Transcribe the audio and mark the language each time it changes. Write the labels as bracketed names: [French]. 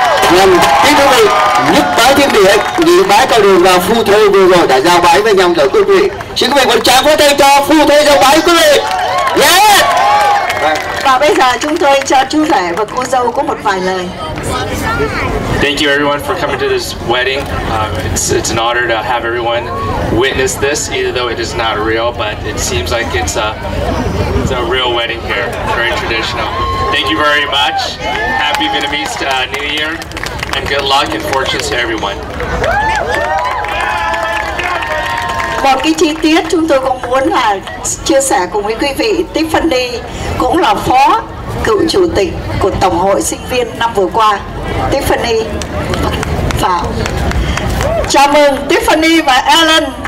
[Vietnamese] Nhân kính thưa quý vị, nhất bái thiên địa, nhị bái cao đường và phu thê vừa rồi đã giao bái với nhau rồi quý vị. Xin quý vị một tràng pháo tay cho phu thê giao bái quý vị. Yeah. Và bây giờ chúng tôi cho chú rể và cô dâu có một vài lời. [English] Thank you everyone for coming to this wedding. It's an honor to have everyone witness this, even though it is not real, but it seems like it's a real wedding here, very traditional. Thank you very much. Happy Vietnamese New Year, and good luck and fortunes to everyone. [Vietnamese] Một cái chi tiết chúng tôi cũng muốn là chia sẻ cùng với quý vị, Tiffany cũng là phó cựu chủ tịch của Tổng hội sinh viên năm vừa qua. Tiffany vào. Chào mừng Tiffany và Alan.